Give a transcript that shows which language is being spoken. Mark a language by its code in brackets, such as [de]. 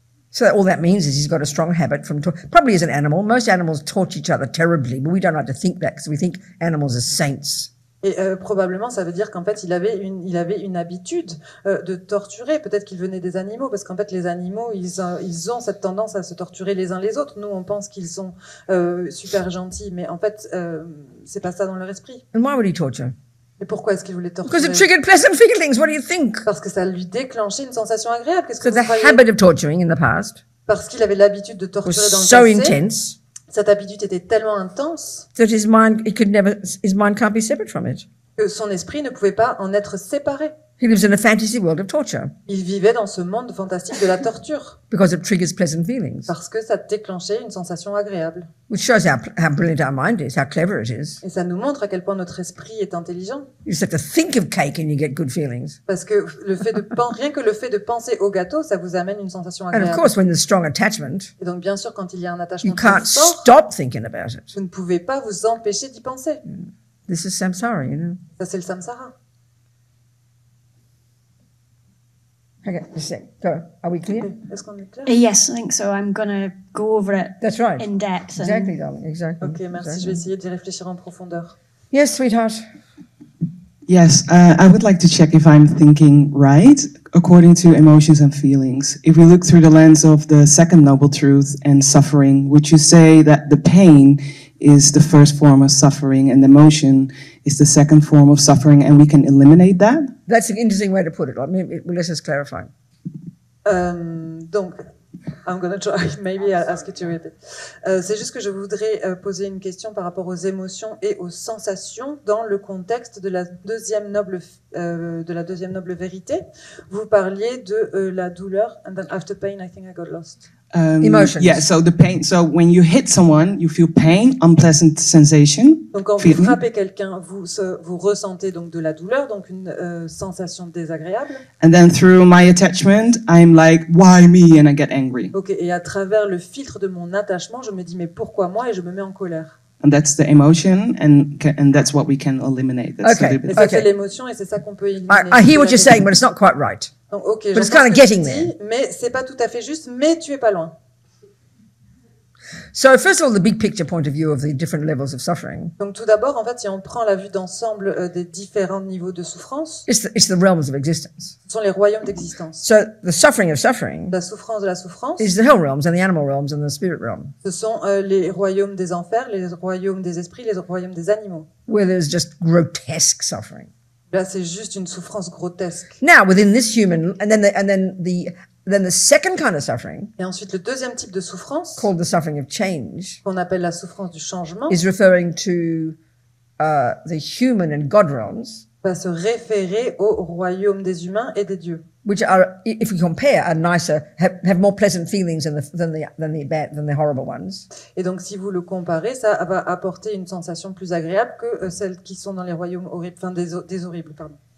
[en] So all that means is he's got a strong habit from probably as an animal. Most animals torture each other terribly, but we don't like to think that because we think animals are saints. [fr] Et probablement, ça veut dire qu'en fait, il avait une habitude de torturer. Peut-être qu'il venait des animaux, parce qu'en fait, les animaux, ils ont cette tendance à se torturer les uns les autres. Nous, on pense qu'ils sont super gentils, mais en fait, c'est pas ça dans leur esprit. [en] And why would he torture? [fr] Et pourquoi est-ce qu'il voulait torturer? [en] Because it triggered pleasant feelings. What do you think? [fr] Parce que ça lui déclenchait une sensation agréable. Qu'est-ce que vous croyez? [en] The habit of torturing in the past. [fr] Parce qu'il avait l'habitude de torturer [en] was [fr] dans le [en] so [fr] passé. [en] Intense. [fr] Cette habitude était tellement intense [en] that his mind, he could never, his mind can't be separate from it. [fr] Que son esprit ne pouvait pas en être séparé. [en] He lives in a fantasy world of torture. [fr] Il vivait dans ce monde fantastique de la torture. [en] Because it triggers pleasant feelings. [fr] Parce que ça déclenchait une sensation agréable. [en] Which shows how brilliant our mind is, how clever it is. [fr] Et ça nous montre à quel point notre esprit est intelligent. [en] You just have to think of cake and you get good feelings. [fr] Parce que le fait de rien que le fait de penser au gâteau, ça vous amène une sensation agréable. [en] And of course, when there's strong attachment, [fr] et donc bien sûr quand il y a un attachement [en] you can't [fr] très fort, [en] stop thinking about it. [fr] Vous ne pouvez pas vous empêcher d'y penser. [en] This is samsara, you know. [fr] Ça c'est le samsara. [en] Okay, just a sec. Go. Are we clear? Yes, I think so. I'm going to go over it. That's right. In depth. Exactly, darling. Exactly. [fr] Okay, merci. [en] Exactly. [fr] Je vais essayer d'y réfléchir en profondeur. [en] Yes, sweetheart. Yes, I would like to check if I'm thinking right according to emotions and feelings. If we look through the lens of the second noble truth and suffering, would you say that the pain is the first form of suffering and emotion is the second form of suffering and we can eliminate that? That's an interesting way to put it. I mean, let's just clarify. Donc, I'm going to try, maybe I'll ask you to repeat. [fr] C'est juste que je voudrais poser une question par rapport aux émotions et aux sensations dans le contexte de la deuxième noble, de la deuxième noble vérité. Vous parliez de la douleur, [en] and then after pain, I think I got lost. Emotions. Yeah, so the pain, so when you hit someone, you feel pain, unpleasant sensation. [fr] Donc quand vous frappez quelqu'un, vous ressentez donc de la douleur, donc une sensation désagréable. [en] And then through my attachment, I'm like, why me? And I get angry. [fr] Okay, et à travers le filtre de mon attachement, je me dis, mais pourquoi moi? Et je me mets en colère. [en] And that's the emotion, and that's what we can eliminate. That's okay. [fr] Et ça, c'est l'émotion, et c'est ça qu'on peut éliminer. [en] I hear what you're saying, but it's not quite right. [fr] Donc, okay, [en] but it's kind of getting there. [fr] Mais c'est pas tout à fait juste, mais tu es pas loin. [en] So first of all, the big picture point of view of the different levels of suffering. [fr] Donc tout d'abord, en fait, si on prend la vue d'ensemble des différents niveaux de souffrance, [en] it's the realms of existence. [fr] Ce sont les royaumes d'existence. [en] So the suffering of suffering. [fr] La souffrance de la souffrance. [en] Is the hell realms and the animal realms and the spirit realm. [fr] Ce sont les royaumes des enfers, les royaumes des esprits, les royaumes des animaux. [en] Where there's just grotesque suffering. [fr] Là, c'est juste une souffrance grotesque. [en] Now within this human, and then the second kind of suffering. [fr] Et ensuite le deuxième type de souffrance. [en] Called the suffering of change. [fr] Qu'on appelle la souffrance du changement. [en] Is referring to the human and God realms. [fr] Va se référer au royaume des humains et des dieux. [en] Which are, if we compare, are nicer, have more pleasant feelings than the horrible ones. [fr] Et donc si vous le comparez, ça va apporter une sensation plus agréable que celles qui sont dans les royaumes horribles, enfin des horribles, pardon.